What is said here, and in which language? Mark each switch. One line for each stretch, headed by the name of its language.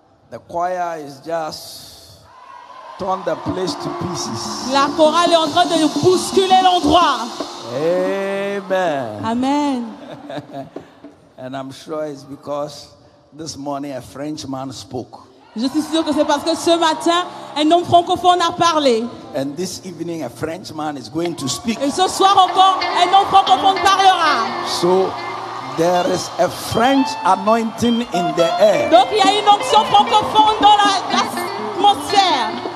English: The choir is just torn the place to pieces.
French: La chorale est en train de bousculer l'endroit.
English: Amen. Amen. And I'm sure it's because this morning a Frenchman spoke.
French: Je suis sûr que c'est parce que ce matin un homme francophone a parlé.
English: And this evening a Frenchman is going to speak.
French: Et ce soir encore un homme francophone parlera.
English: So there is a French anointing in the air.
French: Donc il y a une onction francophone dans l'atmosphère.